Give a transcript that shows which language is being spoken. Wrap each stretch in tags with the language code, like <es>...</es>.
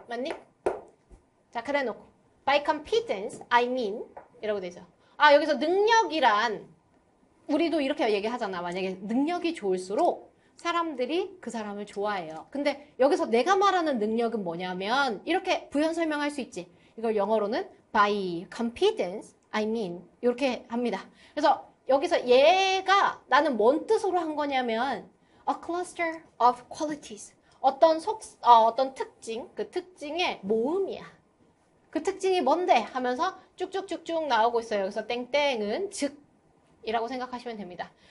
<ko>맞니? 자, 그래 놓고.</ko> <en>By competence, I mean.</en> <ko>이라고 되죠. 아, 여기서 능력이란, 우리도 이렇게 얘기하잖아. 만약에 능력이 좋을수록 사람들이 그 사람을 좋아해요. 근데 여기서 내가 말하는 능력은 뭐냐면, 이렇게 부연 설명할 수 있지. 이걸 영어로는</ko> <en>by competence, I mean.</en> <ko>이렇게 합니다. 그래서 여기서 얘가 나는 뭔 뜻으로 한 거냐면,</ko> <en>a cluster of qualities.</en> <ko>어떤 특징, 그 특징의 모음이야. 그 특징이 뭔데? 하면서 쭉쭉쭉쭉 나오고 있어요. 여기서 땡땡은 즉, 이라고 생각하시면 됩니다.</ko>